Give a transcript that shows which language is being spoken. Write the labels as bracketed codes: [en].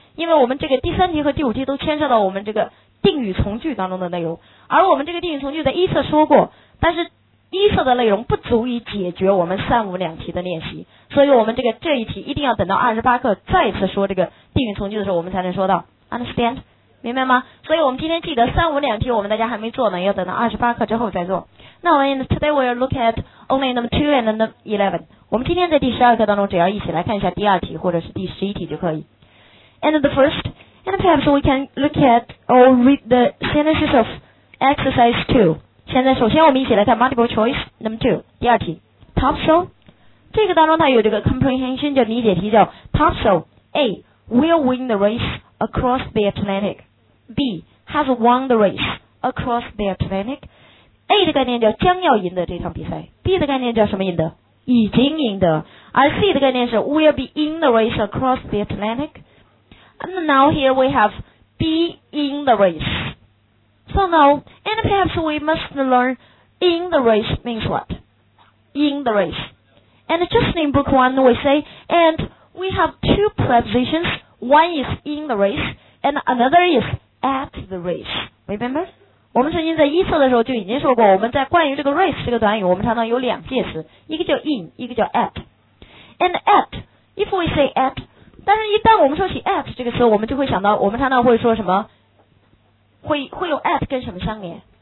[zh] 因为我们这个第三题和第五题都牵涉到我们这个定语从句当中的内容，而我们这个定语从句在一册说过，但是一册的内容不足以解决我们三五两题的练习，所以我们这个这一题一定要等到二十八课再次说这个定语从句的时候，我们才能说到 understand， 明白吗？所以我们今天记得三五两题我们大家还没做呢，要等到二十八课之后再做。那我们 [en] today we will look at only number two and number 11。 [zh] 我们今天在第十二课当中只要一起来看一下第二题或者是第十一题就可以。 [en] And the first. And perhaps we can look at or read the sentences of exercise 2. [zh] 现在首先我们一起来看 [en] multiple choice number 2, [zh] 第二题 Topsail. 这个当中它有这个 comprehension 叫理解题叫 Topsail. A. [en] Will win the race across the Atlantic. B. Has won the race across the Atlantic. [zh] A 的概念叫将要赢得这场比赛。 B 的概念叫什么赢得？已经赢得。而 C 的概念是 [en] Will be in the race across the Atlantic. And now here we have be in the race. So now, and perhaps we must learn in the race means what? In the race. And just in book one, we say, and we have two prepositions. One is in the race, and another is at the race. Remember? [zh] 我们曾经在一册的时候就已经说过，我们在关于这个 race 这个短语，我们常常有两介词，一个叫 in, 一个叫 at. [en] And at, if we say at, [zh] 但是一旦我们说起 at 这个词，我们就会想到我们常常会说什么，会用 at 跟什么相连。